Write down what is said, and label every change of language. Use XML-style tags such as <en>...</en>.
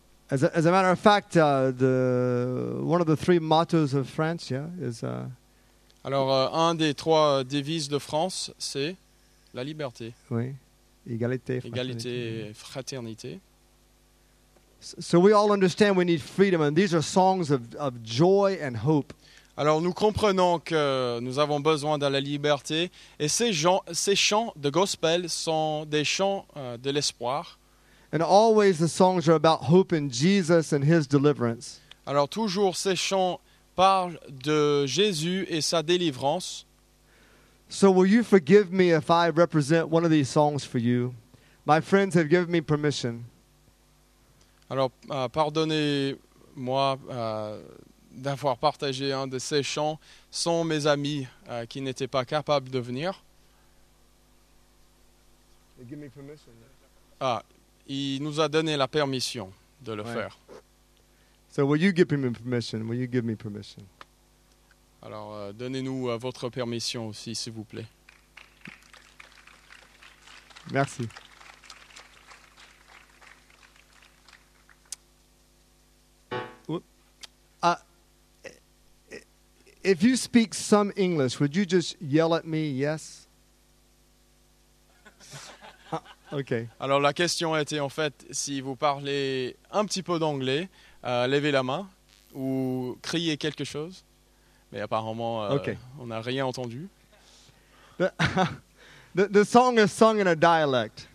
<en>As a matter of fact, one of the three mottos of France, yeah, is</en> <fr>Alors un des trois devises de France, c'est la liberté. Oui. Égalité, fraternité.</fr> <en>So we all understand we need freedom and these are songs of joy and hope.</en> <fr>Alors nous comprenons que nous avons besoin de la liberté et ces chants de gospel sont des chants de l'espoir.</fr> <en>And always the songs are about hope in Jesus and his deliverance.</en> <fr>Alors toujours ces chants parlent de Jésus et sa délivrance.</fr> <en>So will you forgive me if I represent one of these songs for you? My friends have given me permission.</en> <fr>Alors pardonnez-moi d'avoir partagé un de ces chants sans mes amis qui n'étaient pas capables de venir.</fr> <en>Give me permission.</en> <fr>Ah, il nous a donné la permission de le faire.</fr> <en>So will you give me permission? Will you give me permission?</en> <fr>Alors donnez-nous votre permission aussi, s'il vous plaît. Merci.</fr> <en>If you speak some English, would you just yell at me, yes? Okay.</en> <fr>Alors, la question était, en fait, si vous parlez un petit peu d'anglais, levez la main ou criez quelque chose. Mais apparemment, okay. On n'a rien entendu.</fr> <en>The song is sung in a dialect.</en>